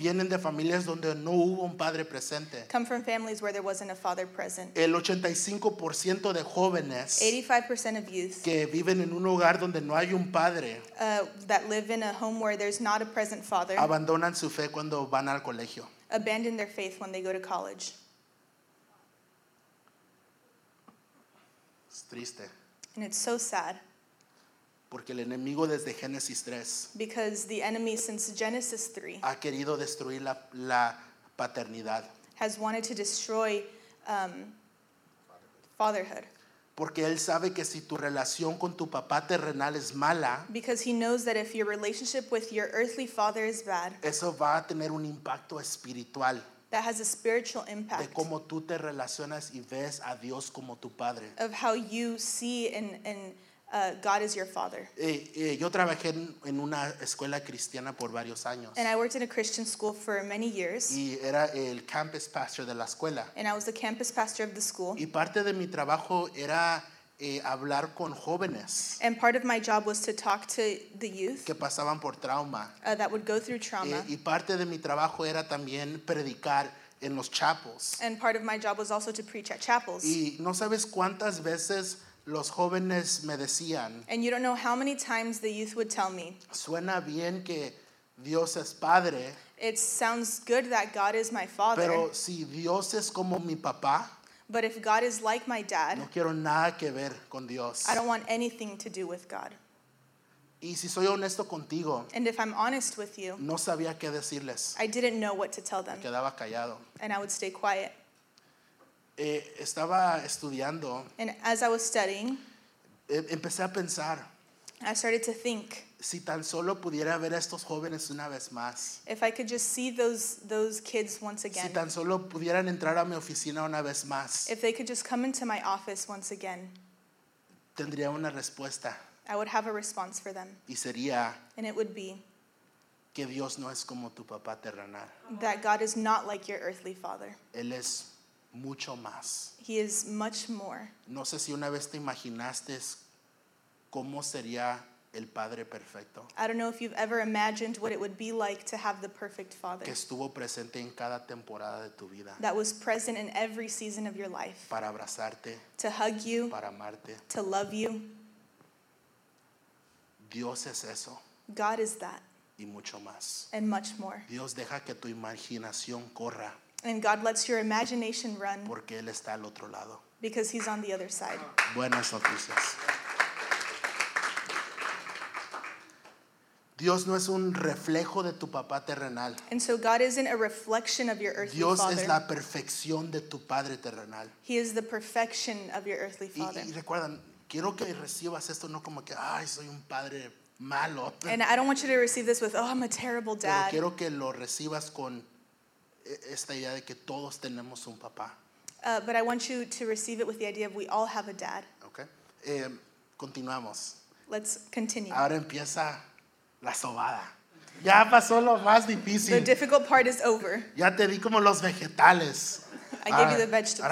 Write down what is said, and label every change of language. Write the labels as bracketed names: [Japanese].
[Spanish] vienen de familias donde no hubo un padre presente. [English] Come from families where there wasn't a father present. [Spanish] El 85% de jóvenes [English] 85% of youth [Spanish] que viven en un hogar donde no hay un padre [English] that live in a home where there's not a present father [Spanish] abandonan su fe cuando van al colegio. [English] Abandon their faith when they go to college. [Spanish] Es triste. [English] And it's so sad. [Spanish] Porque el enemigo desde Génesis 3, [English] because the enemy since Genesis 3 [Spanish] ha querido destruir la paternidad, [English] has wanted to destroy fatherhood. [Spanish] Porque él sabe que si tu relación con tu papá terrenal es mala, [English] because he knows that if your relationship with your earthly father is bad, [Spanish] eso va a tener un impacto espiritual. [English] That has a spiritual impact. [Spanish] De cómo tú te relacionas y ves a Dios como tu padre. [English] Of how you see and God is your father. [Spanish] Yo trabajé en una escuela cristiana por varios años. [English] And I worked in a Christian school for many years. [Spanish] Y era el campus pastor de la escuela. [English] And I was the campus pastor of the school. [Spanish] Y parte de mi trabajo era hablar con jóvenes. [English] And part of my job was to talk to the youth. [Spanish] Que pasaban por trauma. [English] That would go through trauma. [Spanish] Y parte de mi trabajo era también predicar en los chapels. [English] And part of my job was also to preach at chapels. [Spanish] Y no sabes cuántas veces los jóvenes me decían, [English] and you don't know how many times the youth would tell me, [Spanish] suena bien que Dios es padre, [English] it sounds good that God is my father, [Spanish] pero si Dios es como mi papá, [English] but if God is like my dad, [Spanish] no quiero nada que ver con Dios. [English] I don't want anything to do with God. [Spanish] Y si soy honesto contigo, [English] and if I'm honest with you, [Spanish] no sabía qué decirles. [English] I didn't know what to tell them. [Spanish] Me quedaba callado. [English] And I would stay quiet. [Spanish] Estaba estudiando, [English] and as I was studying, [Spanish] empecé a pensar, [English] I started to think, [Spanish] si tan solo pudiera ver a estos jóvenes una vez más, [English] if I could just see those kids once again, [Spanish] si tan solo pudieran entrar a mi oficina una vez más, [English] if they could just come into my office once again, [Spanish] tendría una respuesta, [English] I would have a response for them, [Spanish] y sería, [English] and it would be, [Spanish] que Dios no es como tu papá terrenal, [English] that God is not like your earthly father. [Spanish] Él es mucho más. [English] He is much more. [Spanish] No sé si una vez te imaginaste cómo sería el padre perfecto. [English] I don't know if you've ever imagined what it would be like to have the perfect father. [Spanish] Que estuvo presente en cada temporada de tu vida. [English] That was present in every season of your life. [Spanish] Para abrazarte. [English] To hug you. [Spanish] Para amarte. [English] To love you. [Spanish] Dios es eso. [English] God is that. [Spanish] Y mucho más. [English] And much more. [Spanish] Dios deja que tu imaginación corra. [English] And God lets your imagination run. [Spanish] Porque él está al otro lado. [English] Because he's on the other side. [Spanish] Buenas noticias. Dios no es un reflejo de tu papá terrenal. [English] And so God isn't a reflection of your earthly [Spanish] Dios [English] father. [Spanish] Dios es la perfección de tu padre terrenal. [English] He is the perfection of your earthly father. [Spanish] Y recuerdan, quiero que recibas esto no como que, ay, soy un padre malo. [English] And I don't want you to receive this with, oh, I'm a terrible dad. [Spanish] Pero quiero que lo recibas con esta idea de que todos tenemos un papá. [English] But I want you to receive it with the idea of we all have a dad. [Spanish] Okay. Continuamos. [English] Let's continue. [Spanish] Ahora empieza la sobada. Ya pasó lo más difícil. [English] The difficult part is over. [Spanish] Ya te di como los vegetales. [English] I gave you the vegetables.